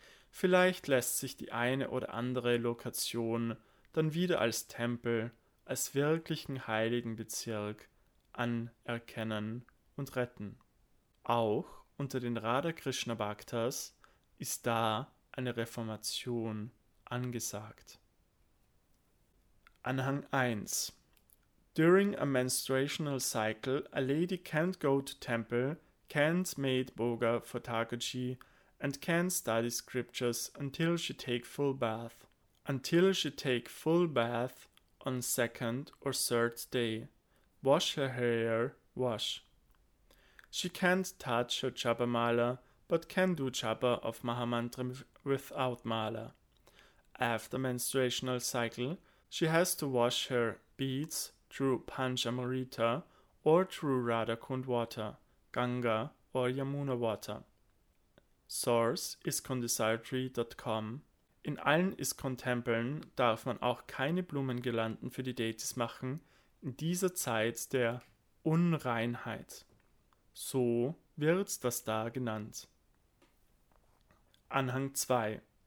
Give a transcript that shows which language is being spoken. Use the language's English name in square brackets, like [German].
[German] Vielleicht lässt sich die eine oder andere Lokation dann wieder als Tempel, als wirklichen heiligen Bezirk anerkennen und retten. Auch unter den Radha Krishna Bhaktas ist da eine Reformation angesagt. Anhang 1. [English] During a menstruational cycle, a lady can't go to temple, can't maid boga for Takuchi, and can't study scriptures until she take full bath. Until she take full bath on second or third day. Wash her hair, wash. She can't touch her japa mala, but can do japa of Mahamantra without mala. After menstruational cycle, she has to wash her beads through Panchamrita or through Radhakund water, Ganga or Yamuna water. Source iskondesayatree.com. [German] In allen Iskon-Tempeln darf man auch keine Blumengirlanden für die Deities machen in dieser Zeit der Unreinheit. So wird das da genannt. Anhang 2.